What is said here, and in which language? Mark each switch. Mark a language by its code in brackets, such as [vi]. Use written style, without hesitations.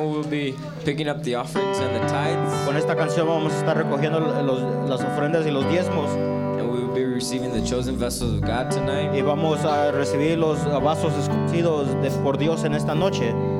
[en] be picking up the offerings and the tithes. [es] Con esta canción vamos a estar recogiendo los, las ofrendas y los diezmos. [en] And we will be receiving the chosen vessels of God tonight. [es] Y vamos a recibir los vasos escogidos de, por Dios en esta noche.